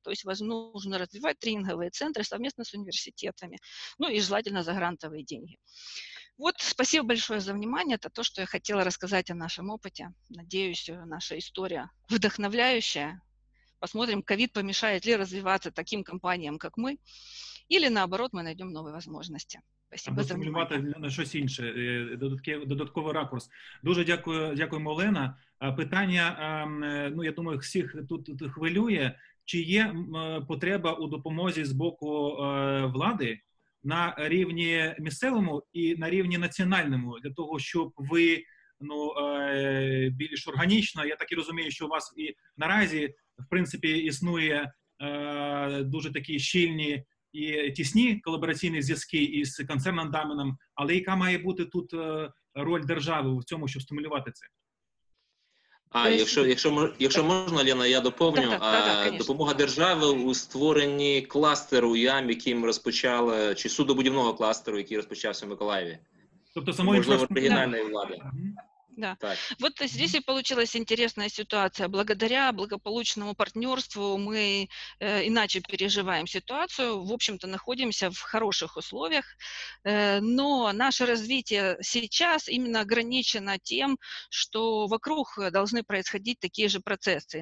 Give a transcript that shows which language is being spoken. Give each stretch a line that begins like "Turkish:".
Russian: То есть нужно развивать тренинговые центры совместно с университетами, ну и желательно за грантовые деньги. Вот, спасибо большое за внимание, это то, что я хотела рассказать о нашем опыте. Надеюсь, наша история вдохновляющая. Посмотрим, ковид помешает ли развиваться таким компаниям, как мы, или наоборот, мы найдем новые возможности.
Ukrainian: Або стимулювати на щось інше, додатковий ракурс. Дуже дякуємо, Олена. Питання, ну, я думаю, всіх тут хвилює, чи є потреба у допомозі з боку влади на рівні місцевому і на рівні національному, для того, щоб ви, ну, більш органічно, я так і розумію, що у вас і наразі, в принципі, існує дуже такі щільні і тісні колабораційні зв'язки із концерном Damen, але яка має бути тут роль держави в цьому, щоб стимулювати це? А якщо можна, Лена, я доповню. Допомога держави у створенні кластеру ЯМ, який ми розпочали, чи судобудівного кластеру, який розпочався в Миколаєві. Тобто самої регіональної влади. Да. Так.
Russian: Вот здесь и получилась интересная ситуация. Благодаря благополучному партнерству мы иначе переживаем ситуацию. В общем-то, находимся в хороших условиях. Но наше развитие сейчас именно ограничено тем, что вокруг должны происходить такие же процессы.